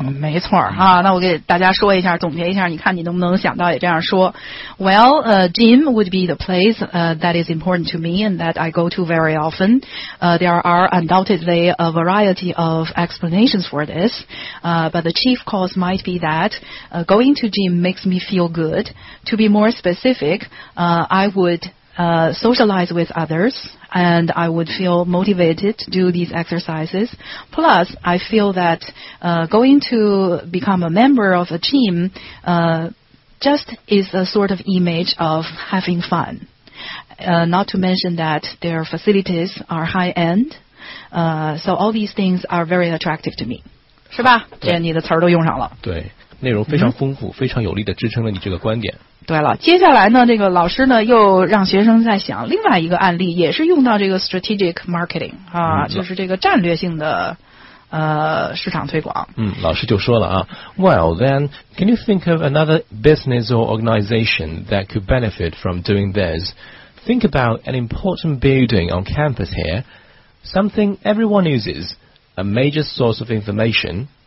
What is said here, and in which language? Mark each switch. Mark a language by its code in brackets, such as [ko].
[zh] 没错啊，那我给大家说一下，总结一下，你看你能不能想到也这样说。 [en] Well, gym would be the place, that is important to me and that I go to very often. There are undoubtedly a variety of explanations for this. But the chief cause might be that, going to gym makes me feel good. To be more specific, I wouldsocialize with others, and I would feel motivated to do these exercises. Plus, I feel that going to become a member of a team just is a sort of image of having fun. Not to mention that their facilities are high-end. So all these things are very attractive to me. [zh] 是吧？这你的词儿都用上了。对，内容非常丰富，非常有力地支撑了你这个观点。对了，接下来呢，这个老师呢又让学生在想另外一个案例，也是用到这个 strategic marketing 啊、嗯，就是这个战略性的市场推广。嗯，老师就说了啊 [en] ，Well then, can you think of another business or organization that could benefit from doing this? Think about an important building on campus here, something everyone uses, a major source of information.